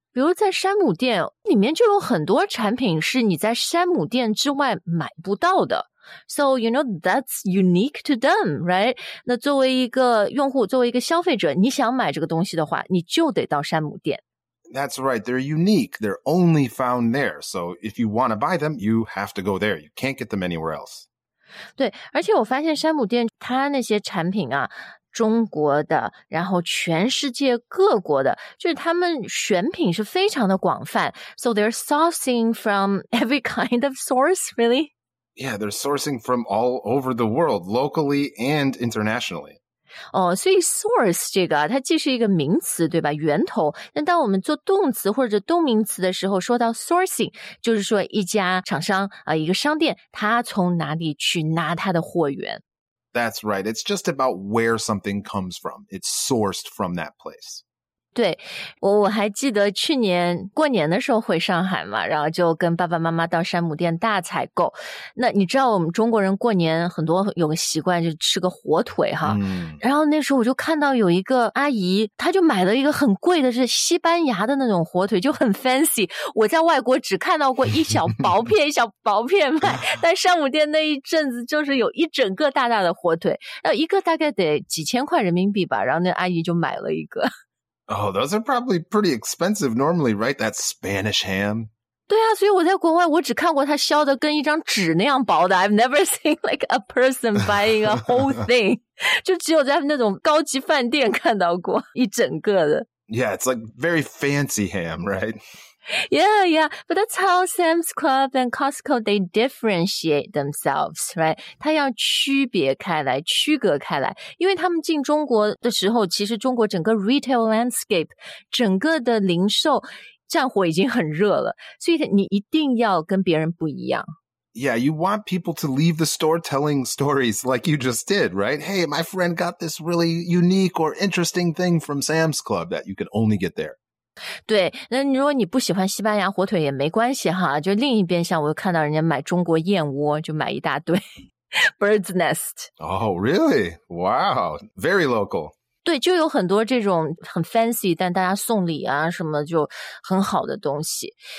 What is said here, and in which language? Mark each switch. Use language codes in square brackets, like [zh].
[zh] 比如在山姆店里面就有很多产品是你在山姆店之外买不到的。 [en] So, you know, that's unique to them, right? [zh] 那作为一个用户，作为一个消费者，你想买这个东西的话，你就得到山姆店。 [en] That's right. They're unique. They're only found there. So if you want to buy them, you have to go there. You can't get them anywhere else. [zh] 对，而且我发现山姆店它那些产品啊，中国的，然后全世界各国的，就是他们选品是非常的广泛。 [en] So they're sourcing from every kind of source, really? Yeah, they're sourcing from all over the world, locally and internationally. [zh] 哦，所以 source 这个，它既是一个名词，对吧？源头。那当我们做动词或者动名词的时候，说到 sourcing, 就是说一家厂商，一个商店，它从哪里去拿它的货源。 [en] That's right. It's just about where something comes from. It's sourced from that place. [zh] 对，我还记得去年过年的时候回上海嘛，然后就跟爸爸妈妈到山姆店大采购。那你知道我们中国人过年很多有个习惯，就吃个火腿哈。嗯。然后那时候我就看到有一个阿姨，她就买了一个很贵的，是西班牙的那种火腿，就很 fancy。我在外国只看到过一小薄片一小薄片卖，但山姆店那一阵子就是有一整个大大的火腿，然后一个大概得几千块人民币吧，然后那阿姨就买了一个。 [en] Oh, those are probably pretty expensive normally, right? That Spanish ham. [zh] 对啊，所以我在国外我只看过它削的跟一张纸那样薄的。 [en] I've never seen like a person buying a whole thing. [zh] 就只有在那种高级饭店看到过一整个的。 [en] Yeah, it's like very fancy ham, right? Yeah, yeah. But that's how Sam's Club and Costco, they differentiate themselves, right? [zh] 它要区别开来，区隔开来。因为他们进中国的时候，其实中国整个 [en] retail landscape, [zh] 整个的零售战火已经很热了。所以你一定要跟别人不一样。 [en] Yeah, you want people to leave the store telling stories like you just did, right? Hey, my friend got this really unique or interesting thing from Sam's Club that you can only get there. [zh] 对，那如果你不喜欢西班牙火腿也没关系哈，就另一边像我看到人家买中国燕窝，就买一大堆bird's nest. [en] Oh, really? Wow, very local. [zh] 对，就有很多这种很 fancy, 但大家送礼啊什么就很好的东西。